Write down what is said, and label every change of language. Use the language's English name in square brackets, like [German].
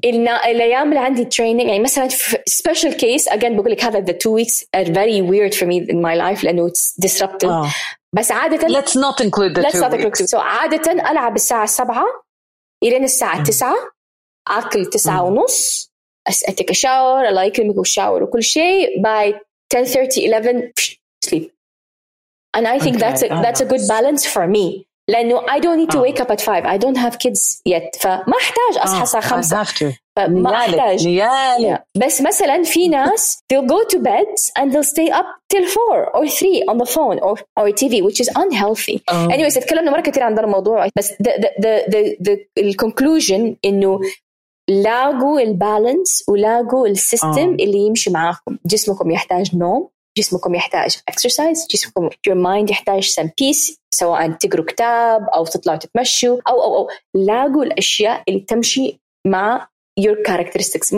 [Arabic] الأيام اللي عندي [English] training, [Arabic] يعني مثلا [English] special case again [Arabic] بقولك هذا [English] the 2 weeks are very weird for me in my life لأنه it's disruptive. [Arabic] بس عادة [English] let's not include the 2 weeks. [Arabic] So عادة ألعب الساعة 7 إلى الساعة 9, أكل 9:30, أتاكل shower, الله يكرمك وشاور وكل شيء, [English] by 10:30 11 sleep. And I think that's a good balance for me. لأنه I don't need to wake up at 5. I don't have kids yet. [Arabic] فما أحتاج أصحى الساعة 5. [English] I have to. [Arabic] ما أحتاج. بس مثلا في ناس [English] they'll go to bed and they'll stay up till 4 or 3 on the phone or TV, which is unhealthy. [Arabic] Anyways, تكلمنا مرة كتير عن هذا الموضوع. بس [English] the conclusion [Arabic] إنه لاقوا البالانس ولاقوا السيستم اللي يمشي معاكم. جسمكم يحتاج نوم. جسمكم يحتاج exercise. جسمكم [English] your mind [Arabic] يحتاج [English] some peace. [Arabic] سواء تقروا كتاب أو تطلعوا تتمشوا أو لاقوا الأشياء اللي تمشي مع [English] your characteristics.